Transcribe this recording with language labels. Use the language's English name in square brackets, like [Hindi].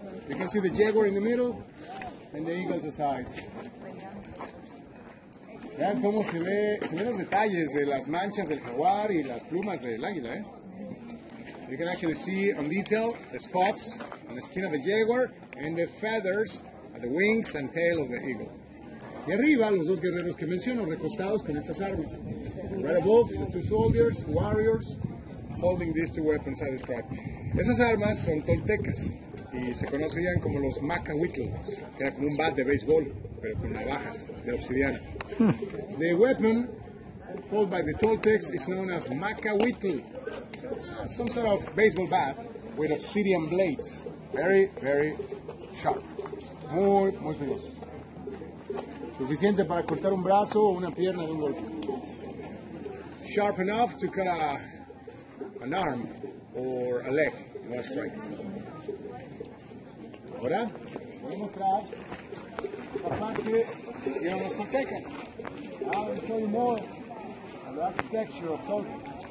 [English] You can see the jaguar in the middle and the eagle on the side. [Spanish] Vean cómo se ven los detalles de las manchas del jaguar y las plumas del águila, ¿eh? [English] You can actually see on detail the spots on the skin of the jaguar and the feathers at the wings and tail of the eagle. [Spanish] Y arriba, los dos guerreros que menciono, recostados con estas armas. [English] Right above, the two soldiers, warriors, holding these two weapons I described. [Spanish] Esas armas son toltecas y se conocían como los macahuitl, que era como un bat de béisbol, pero con navajas de obsidiana. [English] The weapon held by the Toltecs is known as macahuitl, some sort of baseball bat with obsidian blades. Very, very sharp. [Spanish] Muy, muy filoso. Suficiente para cortar un brazo o una pierna de un golpe. [English] Sharp enough to cut an arm or a leg in one strike. [Spanish] Ahora, voy a mostrar la parte que hicieron los toltecas. [English] I will show you more on the architecture of Toltec.